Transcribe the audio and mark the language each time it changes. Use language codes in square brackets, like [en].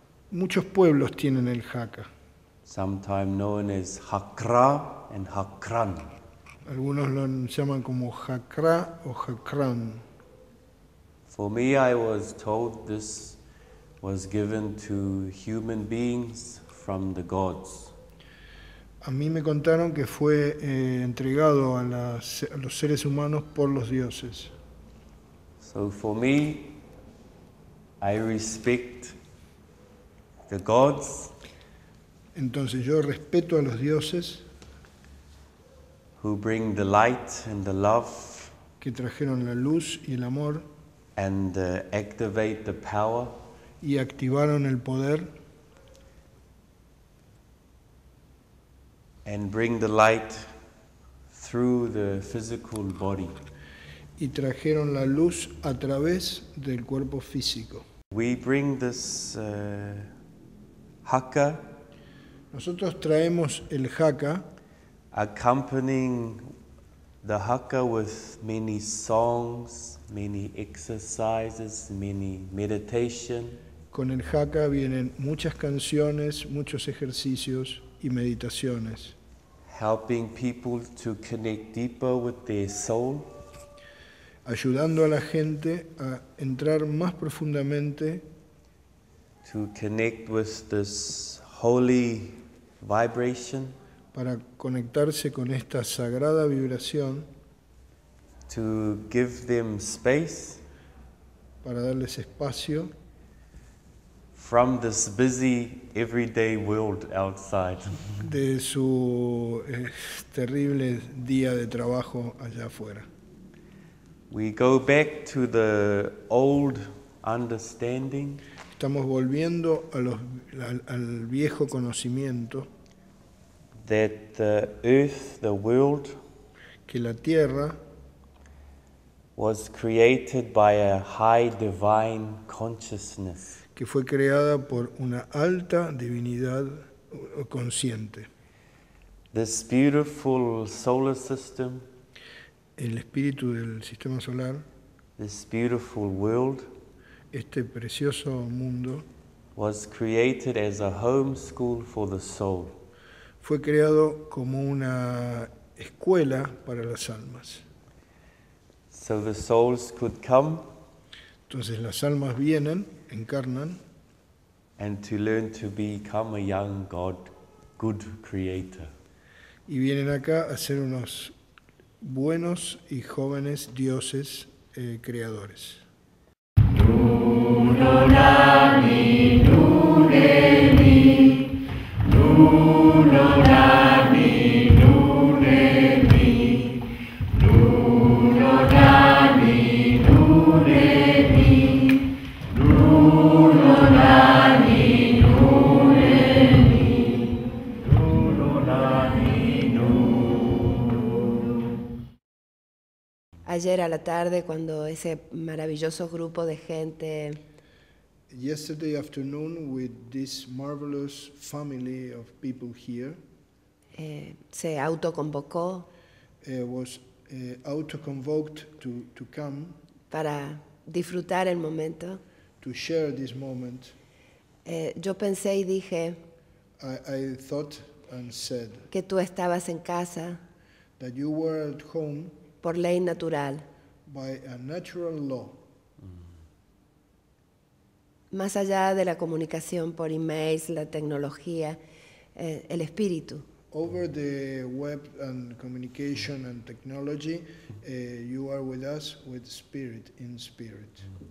[es] Muchos pueblos tienen el Hakka. [en] Sometimes known as Hakra and Hakran. [es] Algunos lo llaman como Hakra o Hakran. [en] For me, I was told this was given to human beings from the gods. [es] A mí me contaron que fue entregado a los seres humanos por los dioses. [en] So for me, I respect the gods. [es] Entonces yo respeto a los dioses. [en] Who bring the light and the love, [es] que trajeron la luz y el amor, [en] and activate the power, [es] y activaron el poder, [en] and bring the light through the physical body, [es] y trajeron la luz a través del cuerpo físico. [en] We bring this Hakka. [es] Nosotros traemos el Hakka. [en] Accompanying the Hakka with many songs, many exercises, many meditation. [es] Con el Hakka vienen muchas canciones, muchos ejercicios y meditaciones. [en] Helping people to connect deeper with their soul. [es] Ayudando a la gente a entrar más profundamente. [en] To connect with this holy vibration. [es] Para conectarse con esta sagrada vibración, [en] to give them space, [es] para darles espacio, [en] from this busy everyday world outside, [es] de su terrible día de trabajo allá afuera. [en] We go back to the old understanding. [es] Estamos volviendo al viejo conocimiento. [en] That the earth, the world, [es] que la tierra, [en] was created by a high divine consciousness, [es] que fue creada por una alta divinidad consciente. [en] This beautiful solar system, [es] el espíritu del sistema solar, [en] this beautiful world, [es] este precioso mundo, [en] was created as a home school for the soul. [es] Fue creado como una escuela para las almas. [en] So the souls could come. [es] Entonces las almas vienen, encarnan. [en] And to learn to become a young God, good creator. [es] Y vienen acá a ser unos buenos y jóvenes dioses creadores. Lulu na mi, lulu na mi, lulu na mi. Ayer a la tarde, cuando ese maravilloso grupo de gente. [en] Yesterday afternoon, with this marvelous family of people here. [es] Se autoconvocó. [en] Was autoconvoked to come. [es] Para disfrutar el momento. [en] To share this moment. [es] Yo pensé y dije. [en] I thought and said. [es] Que tú estabas en casa. [en] That you were at home. [es] Por ley natural. [en] By a natural law. [es] Más allá de la comunicación por emails, la tecnología, el espíritu. [en] Over the web and communication and technology, you are with us with spirit, in spirit.